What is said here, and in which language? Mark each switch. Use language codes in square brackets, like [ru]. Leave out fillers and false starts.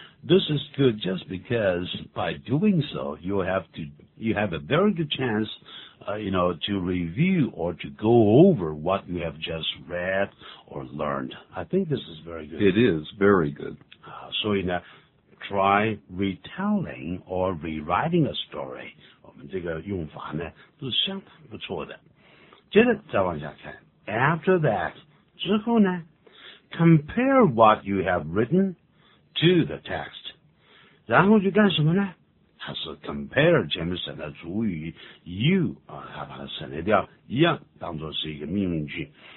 [en] This is good just because by doing so, you have a very good chance,to review or to go over what you have just read or learned. I think this is very good. It is very good. So, you know, try retelling or rewriting a story. [zh] 我们这个用法呢都是相当不错的。接着再往下看。 [en] after that, [zh] 之后呢, [en] compare what you have written to the text. [zh] 然后就干什么呢?它是 compare 前面省的主语 you, 它把它省略掉一样当作是一个命令句。